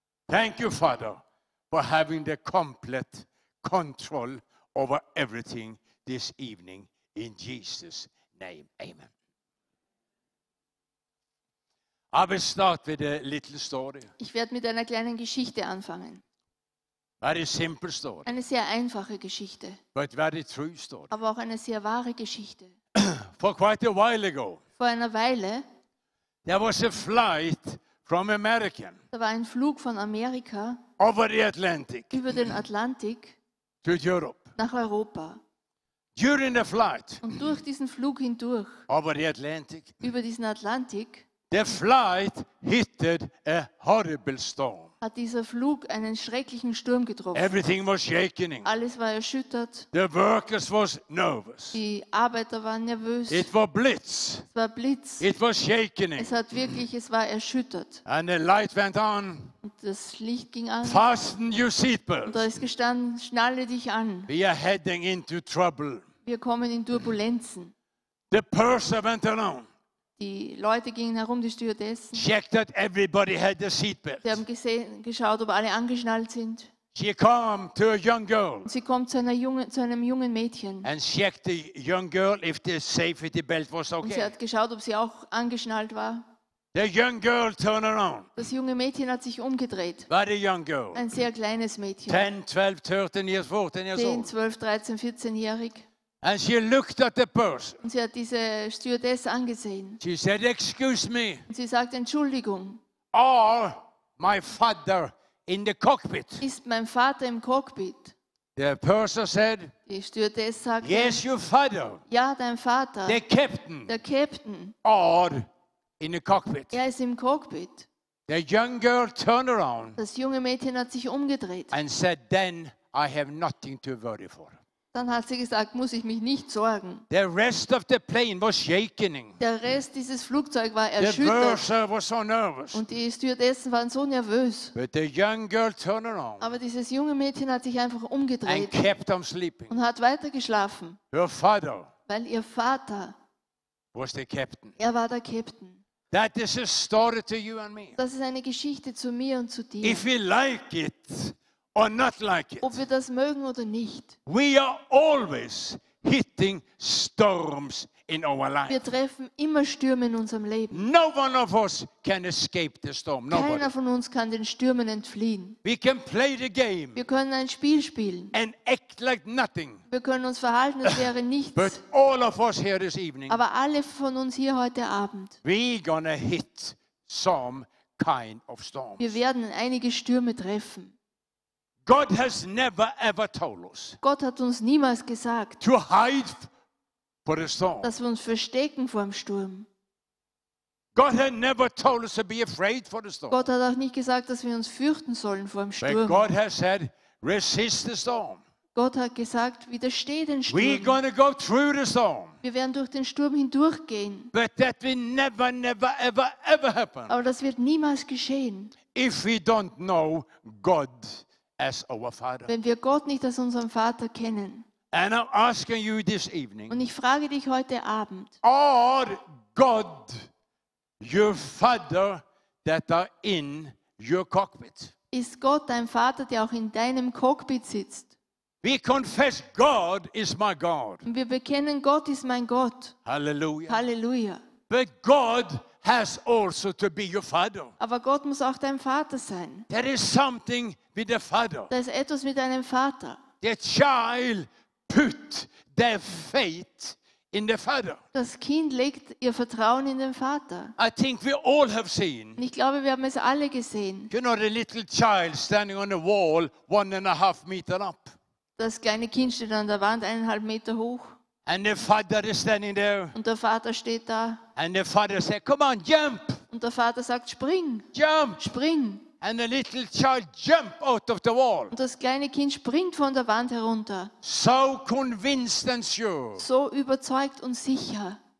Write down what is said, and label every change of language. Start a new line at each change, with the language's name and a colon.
English: Thank you, Father, for having the complete control over everything this evening. In Jesus' name, amen. I will start with a little story.
German: Ich werde mit einer kleinen Geschichte anfangen.
English: Very simple story.
German: Eine sehr einfache Geschichte.
English: But very true story.
German: Aber auch eine sehr wahre Geschichte.
English: For quite a while ago.
German: Vor einer Weile.
English: There was a flight from America.
German: Da war ein Flug von Amerika.
English: Over the Atlantic.
German: Über den Atlantik.
English: To Europe.
German: Nach Europa.
English: During the flight.
German: Und durch diesen Flug hindurch.
English: Over the Atlantic.
German: Über diesen Atlantik.
English: The flight hit a horrible storm.
German: Hat dieser Flug einen schrecklichen Sturm getroffen.
English: Everything was shaking.
German: Alles war erschüttert.
English: The workers was nervous.
German: Die Arbeiter waren nervös.
English: It was blitz.
German: Es war Blitz.
English: It was shaking.
German: Es hat wirklich, es war erschüttert.
English: And the light went on.
German: Und das Licht ging an.
English: Fasten your seatbelts.
German: Und da ist gestanden, schnalle dich an.
English: We are heading into trouble.
German: Wir kommen in Turbulenzen.
English: The purser went alone.
German: Die Leute gingen herum, die Stewardessen.
English: Checked that everybody had their seatbelts.
German: Sie haben gesehen, geschaut, ob alle angeschnallt sind.
English: She came to a young girl.
German: Sie kommt zu einer jungen, zu einem jungen Mädchen.
English: And checked the young girl if the safety belt was okay.
German: Und sie hat geschaut, ob sie auch angeschnallt war.
English: The young girl turned around.
German: Das junge Mädchen hat sich umgedreht.
English: What a young girl.
German: Ein sehr kleines Mädchen.
English: 10, 12, 13 years, 14 years old.
German: 10, 12, 13, 14-jährig.
English: And she looked at the purse.
German: Und sie hat diese Stewardess angesehen.
English: She said, "Excuse me."
German: Und sie sagt Entschuldigung.
English: Or my father in the cockpit.
German: Ist mein Vater im Cockpit?
English: The purser said,
German: die Stewardess sagte,
English: yes, your father.
German: Ja, dein Vater.
English: The captain.
German: Der Captain.
English: Or in the cockpit.
German: Er ist im Cockpit.
English: The young girl turned around.
German: Das junge Mädchen hat sich umgedreht.
English: And said, then I have nothing to worry for.
German: Dann hat sie gesagt, muss ich mich nicht sorgen.
English: The rest of the plane was shaking.
German: Der Rest dieses Flugzeugs war erschüttert.
English: The purser was so nervous.
German: Und die Stewardessen waren so nervös.
English: But the young girl turned around.
German: Aber dieses junge Mädchen hat sich einfach umgedreht.
English: And kept on sleeping.
German: Und hat weitergeschlafen.
English: Her father.
German: Weil ihr Vater.
English: Was the captain.
German: Er war der Captain.
English: That is a story to you and me.
German: Das ist eine Geschichte zu mir und zu dir.
English: If you like it or not like it.
German: Ob wir das mögen oder nicht.
English: We are always hitting storms in our life.
German: Wir treffen immer Stürme in unserem Leben.
English: No one of us can escape the storm. Nobody.
German: Keiner von uns kann den Stürmen entfliehen.
English: We can play the game.
German: Wir können ein Spiel spielen.
English: And act like nothing.
German: Wir können uns verhalten, als wäre nichts.
English: But all of us here this evening.
German: Aber alle von uns hier heute Abend.
English: We're gonna hit some kind of storms.
German: Wir werden einige Stürme treffen.
English: God has never ever told us.
German: Gott hat uns niemals gesagt.
English: To hide for the storm.
German: Dass wir uns verstecken vor dem Sturm.
English: God has never told us to be afraid for the storm.
German: Gott hat auch nicht gesagt, dass wir uns fürchten sollen vor dem Sturm.
English: But God has said, resist the storm.
German: Gott hat gesagt, widersteh den Sturm.
English: We're going to go through the storm.
German: Wir werden durch den Sturm hindurchgehen.
English: But that will never ever happen.
German: Aber das wird niemals geschehen.
English: If we don't know God. As our father.
German: Wenn wir Gott nicht als unseren Vater kennen.
English: And I'm asking you this evening.
German: Und ich frage dich heute Abend.
English: Are God your father that are in your cockpit?
German: Ist Gott dein Vater, der auch in deinem Cockpit sitzt?
English: We confess God is my God.
German: Und wir bekennen, Gott ist mein Gott.
English: Halleluja.
German: Halleluja.
English: But God has also to be your father.
German: Aber Gott muss auch dein Vater sein.
English: There is something with the father.
German: Da ist etwas mit deinem Vater.
English: The child put their faith in the father.
German: Das Kind legt ihr Vertrauen in den Vater.
English: I think we all have seen.
German: Ich glaube, wir haben es alle gesehen.
English: You know the little child standing on a wall 1.5 meters up.
German: Das kleine Kind steht an der Wand 1.5 Meter hoch.
English: And the father is standing there.
German: Und der Vater steht da.
English: And the father said, "Come on, jump!"
German: Und der Vater sagt, spring.
English: Jump.
German: Spring.
English: And the little child jumped out of the wall.
German: Und das kleine Kind springt von der Wand herunter.
English: So convinced and sure.
German: So überzeugt und sicher.